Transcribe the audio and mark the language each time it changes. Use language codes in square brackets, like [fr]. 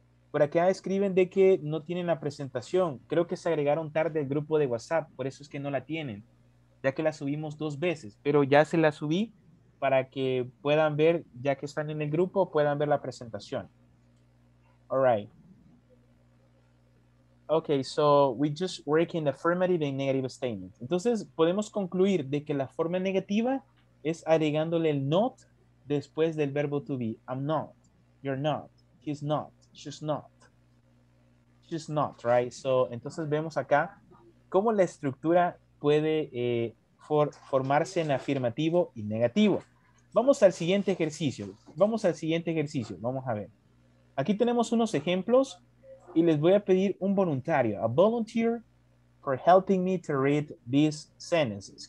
[es] Por acá escriben de que no tienen la presentación. Creo que se agregaron tarde al grupo de WhatsApp. Por eso es que no la tienen. Ya que la subimos dos veces. Pero ya se la subí para que puedan ver, ya que están en el grupo, puedan ver la presentación. [en] All right. Okay, so we just work in the affirmative and negative statement. [es] Entonces, podemos concluir de que la forma negativa es agregándole el not después del verbo to be. [en] I'm not, you're not, he's not, she's not. She's not, right? [es] So, entonces vemos acá cómo la estructura puede formarse en afirmativo y negativo. Vamos al siguiente ejercicio. Vamos al siguiente ejercicio. Vamos a ver. Aquí tenemos unos ejemplos. Y les voy a pedir un voluntario, [en] a volunteer for helping me to read these sentences.